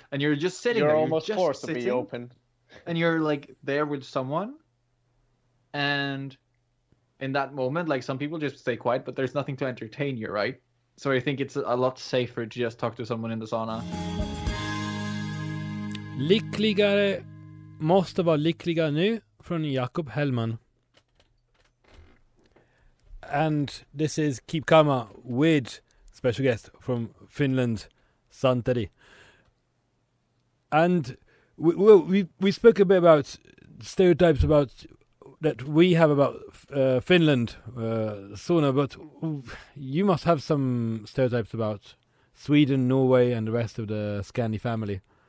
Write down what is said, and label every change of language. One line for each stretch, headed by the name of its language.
English: And you're just sitting there. You're almost forced to be open. And you're like there with someone. And in that moment, like some people just stay quiet, but there's nothing to entertain you, right? So I think it's a lot safer to just talk to someone in the sauna.
Swedish: Lyckligare, måste vara lyckligare nu, från Jakob Hellman.
English: And this is Keep Karma with special guest from Finland, Santeri. And we spoke a bit about stereotypes about that we have about Finland sauna, but you must have some stereotypes about Sweden, Norway, and the rest of the Scandi family.